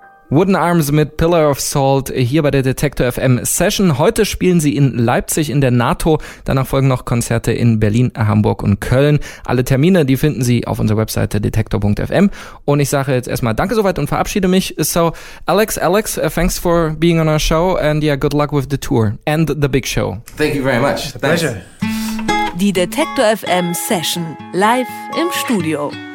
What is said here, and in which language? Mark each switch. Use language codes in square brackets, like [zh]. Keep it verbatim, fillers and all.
[de] Wooden Arms mit Pillar of Salt hier bei der Detektor F M Session. Heute spielen sie in Leipzig in der NATO. Danach folgen noch Konzerte in Berlin, Hamburg und Köln. Alle Termine, die finden Sie auf unserer Webseite detektor dot f m. Und ich sage jetzt erstmal Danke soweit und verabschiede mich. [en] So, Alex, Alex, uh, thanks for being on our show and yeah, good luck with the tour and the big show. Thank you very much. It's a pleasure. [de] Die Detektor F M Session live im Studio.